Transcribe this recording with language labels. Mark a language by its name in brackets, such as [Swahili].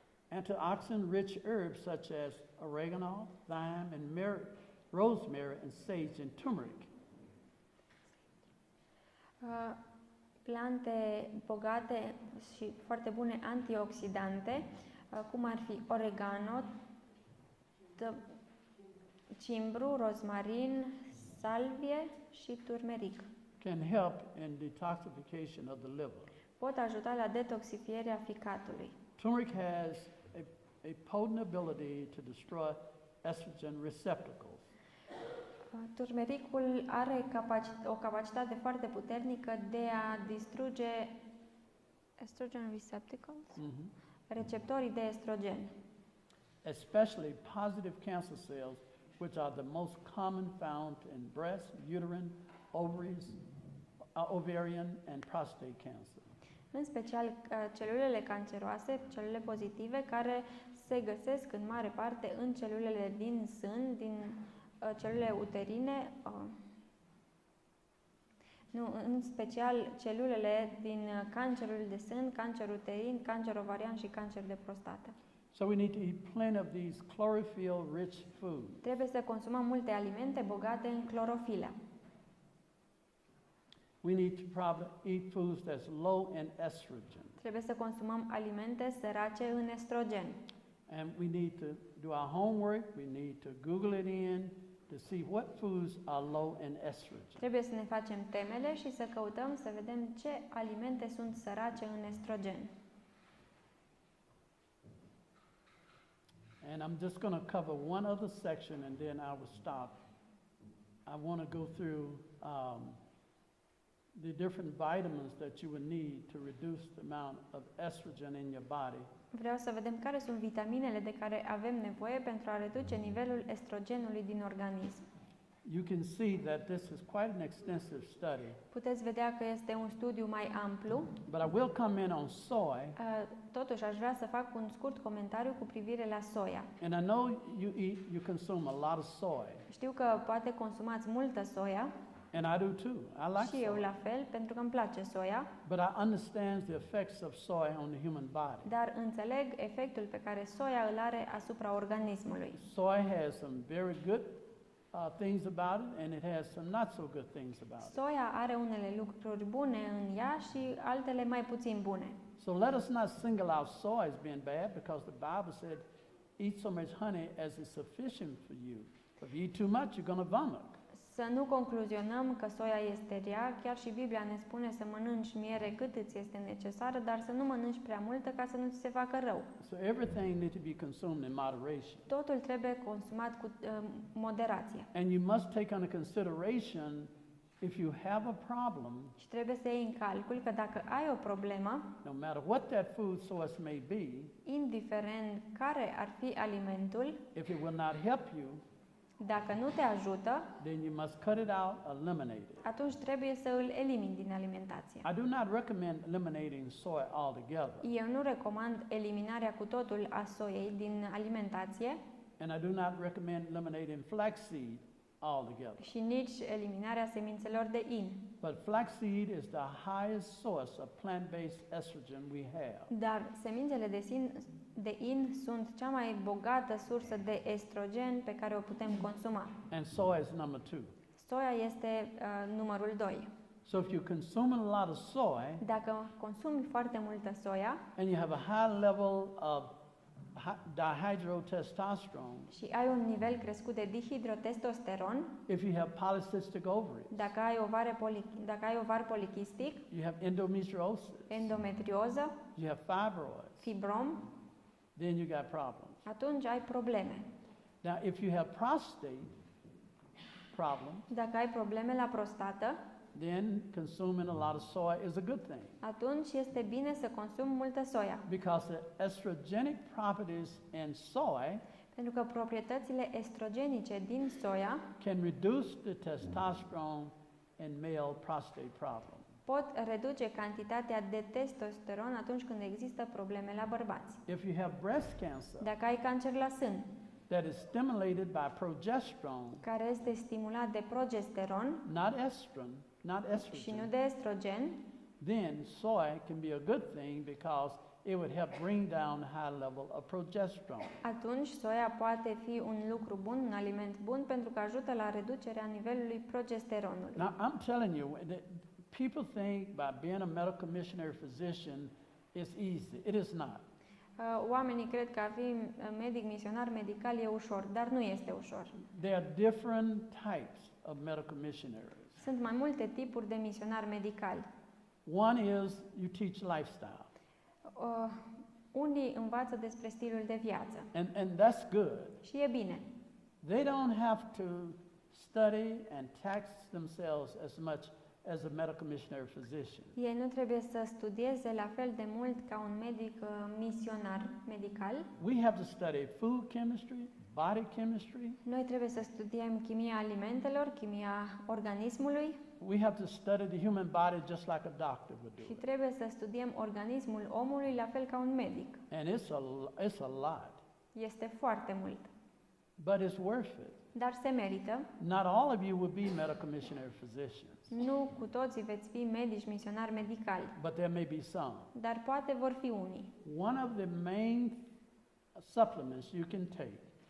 [English] Antioxidant-rich herbs such as oregano, thyme, and rosemary, and sage, and turmeric. [Romanian] Plante bogate și foarte bune antioxidante, cum ar fi oregano, cimbru, rozmarin, salvie și turmeric. [English] Can help in detoxification of the liver. [Romanian] Pot ajuta la detoxifierea ficatului. [English] Turmeric has a potent ability to destroy estrogen receptacles. [Romanian] Turmericul are o capacitate foarte puternică de a distruge [English] estrogen receptacles, [Romanian] receptorii de estrogen. [English] Especially positive cancer cells, which are the most common found in breast, uterine, ovaries, ovarian and prostate cancer. [Romanian] În special celulele canceroase, celulele pozitive care se găsesc în mare parte în celulele din sân, din celulele uterine. Nu, în special celulele din cancerul de sân, cancer uterin, cancer ovarian și cancer de prostată. [English] So we need to eat plenty of these chlorophyll rich foods. [Romanian] Trebuie să consumăm multe alimente bogate în clorofilă. [English] We need to probably eat foods that's low in estrogen. [Romanian] Trebuie să consumăm alimente sărace în estrogen. [English] And we need to do our homework, we need to Google it in to see what foods are low in estrogen. [Romanian] Trebuie să ne facem temele și să căutăm să vedem ce alimente sunt sărace în estrogen. [English] And I'm just going to cover one other section and then I will stop. I want to go through the different vitamins that you will need to reduce the amount of estrogen in your body. [Romanian] Vreau să vedem care sunt vitaminele de care avem nevoie pentru a reduce nivelul estrogenului din organism. [English] You can see that this is quite an extensive study. [Romanian] Puteți vedea că este un studiu mai amplu. [English] But I will come in on soy. [Romanian] Totuși aș vrea să fac un scurt comentariu cu privire la soia. [English] And I know you eat, you consume a lot of soy. [Romanian] Știu că poate consumați multă soia. [English] And I do too. I like soy. [Romanian] Și eu la fel, pentru că îmi place soia. [English] But I understand the effects of soy on the human body. [Romanian] Dar înțeleg efectul pe care soia îl are asupra organismului. [English] Soy has some very good things about it and it has some not so good things about it. [Romanian] Soia are unele lucruri bune în ea și altele mai puțin bune. [English] So let us not single out soy as being bad because the Bible said eat so much honey as is sufficient for you. If you eat too much you're going to vomit. [Romanian] Să nu concluzionăm că soia este rea, chiar și Biblia ne spune să mănânci miere cât îți este necesară, dar să nu mănânci prea multă ca să nu ți se facă rău. [English] So everything needs to be consumed in moderation. [Romanian] Totul trebuie consumat cu moderație. [English] And you must take into consideration if you have a problem. [Romanian] Și trebuie să iei în calcul că dacă ai o problemă, [English] no matter what that food source may be, [Romanian] indiferent care ar fi alimentul, [English] if it will not help you, [Romanian] Dacă nu te ajută, [English] then you must cut it out, eliminate it. [Romanian] Atunci trebuie să îl elimini din alimentație. [English] I do not recommend eliminating soy altogether. [Romanian] Eu nu recomand eliminarea cu totul a soiei din alimentație. [English] And I do not recommend eliminating flaxseed altogether. [Romanian] Și nici eliminarea semințelor de in. [English] But flaxseed is the highest source of plant-based estrogen we have. [Romanian] Dar semințele de in sunt cea mai bogată sursă de estrogen pe care o putem consuma. [English] And soy is number two. [Romanian] Soia este numărul 2. [English] So if you consume a lot of soy, [Romanian] dacă consumi foarte multă soia, [English] and you have a high level of dihydrotestosterone, [Romanian] și ai un nivel crescut de dihidrotestosteron, [English] if you have polycystic ovaries, [Romanian] dacă ai ovar polichistic, [English] you have endometriosis, [Romanian] endometrioză, [English] you have fibroids, [Romanian] fibrom, [English] then you got problems. [Romanian] Atunci ai probleme. [English] Now if you have prostate problems, [Romanian] dacă ai probleme la prostată, [English] then consuming a lot of soy is a good thing. [Romanian] Atunci este bine să consum multă soia. [English] Because the estrogenic properties in soy, [Romanian] pentru că proprietățile estrogenice din soia, [English] can reduce the testosterone in male prostate problems. [Romanian] Pot reduce cantitatea de testosteron atunci când există probleme la bărbați. [English] If you have breast cancer, [Romanian] dacă ai cancer la sân, [English] that is stimulated by progesterone, [Romanian] care este stimulat de progesteron, [English] not estrogen. [Romanian] Și nu de estrogen. [English] Then soy can be a good thing because it would help bring down high level of progesterone. [Romanian] Atunci soia poate fi un lucru bun, un aliment bun pentru că ajută la reducerea nivelului progesteronului. [English] Now I'm telling you that people think by being a medical missionary physician is easy. It is not. [Romanian] Oamenii cred că a fi medic misionar medical e ușor, dar nu este ușor. [English] There are different types of medical missionaries. [Romanian] Sunt mai multe tipuri de misionari medicali. [English] One is you teach lifestyle. [Romanian] Unii învață despre stilul de viață. [English] And that's good. [Romanian] Și e bine. [English] They don't have to study and tax themselves as much as a medical missionary physician. [Romanian] Ei nu trebuie să studieze la fel de mult ca un medic misionar medical. [English] We have to study food chemistry, body chemistry. [Romanian] Noi trebuie să studiem chimia alimentelor, chimia organismului. [English] We have to study the human body just like a doctor would do. [Romanian] Și trebuie să studiem organismul omului la fel ca un medic. [English] And it's a lot. [Romanian] Este foarte mult. [English] But it's worth it. [Romanian] Dar se merită. [English] Not all of you will be medical missionary physicians. [Romanian] Nu cu toții veți fi medici misionari medicali. [English] But there may be some. [Romanian] Dar poate vor fi unii. [English] One of the main supplements you can take.